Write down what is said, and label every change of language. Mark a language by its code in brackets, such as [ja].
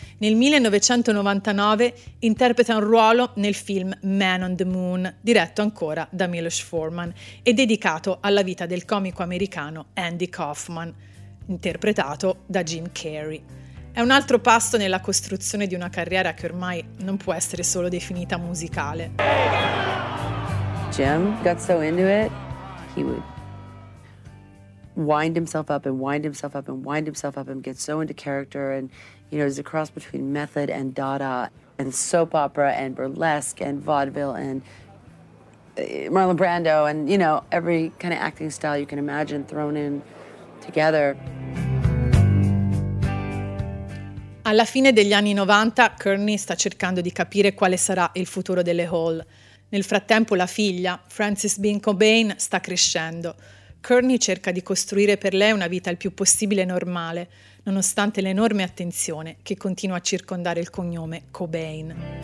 [it] Nel 1999 interpreta un ruolo nel film Man on the Moon, diretto ancora da Milos Forman e dedicato alla vita del comico americano Andy Kaufman, interpretato da Jim Carrey. È un altro passo nella costruzione di una carriera che ormai non può essere solo definita musicale. [en] Jim got so into it, he would wind himself up and wind himself up and wind himself up and get so into character and, you know, it's a cross between method and Dada and soap opera and burlesque and vaudeville and Marlon Brando and, you know, every kind of acting style you can imagine thrown in together. [it] Alla fine degli anni 90, Courtney sta cercando di capire quale sarà il futuro delle Hole. Nel frattempo la figlia, Frances Bean Cobain, sta crescendo. Courtney cerca di costruire per lei una vita il più possibile normale, nonostante l'enorme attenzione che continua a circondare il cognome Cobain.